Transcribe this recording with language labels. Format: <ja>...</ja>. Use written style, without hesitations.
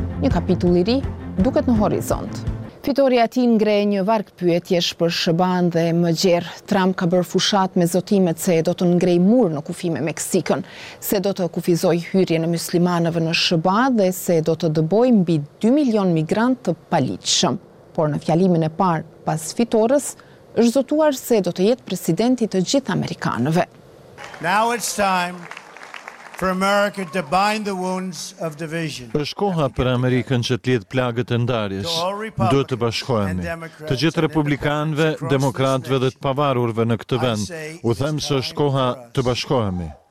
<sq>Një kapitull i ri duket në horizont. Fitoria e tij ngre një varg pyetjesh për SBA-n dhe më gjerë Trump ka bërë fushat me zotimet se do të ngrej mur në kufi me Meksikën, se do të kufizoj hyrjen e muslimanëve në SBA dhe se do të dëboj mbi 2 milion migrantë të paligjshëm. Por në fjalimin e parë pas fitores, është zotuar se do të jetë presidenti të gjithë amerikanëve.</sq> <en>Now it's time for America to bind the wounds of division.</en> <sq>Është koha për Amerikën që të lidh plagët e ndarjes. Duhet të bashkohemi. Të gjithë republikanëve, demokratëve dhe të pavarurve në këtë vend, u them se është koha të bashkohemi.</sq>